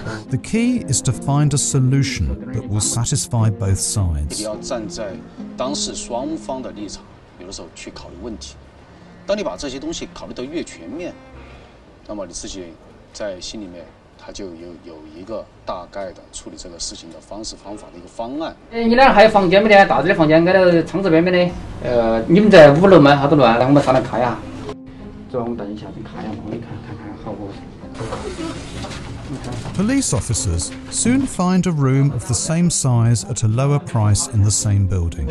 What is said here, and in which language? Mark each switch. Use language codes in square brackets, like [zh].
[en] The key is to find a solution that will satisfy both sides. [zh] 你要站在当事双方的立场，有的时候去考虑问题。当你把这些东西考虑得越全面，那么你自己在心里面，他就有一个大概的处理这个事情的方式方法的一个方案。你那还有房间没得？大的房间挨到窗子边边的。你们在5楼吗？好多乱，来我们上来看一下。 [en] Police officers soon find a room of the same size at a lower price in the same building.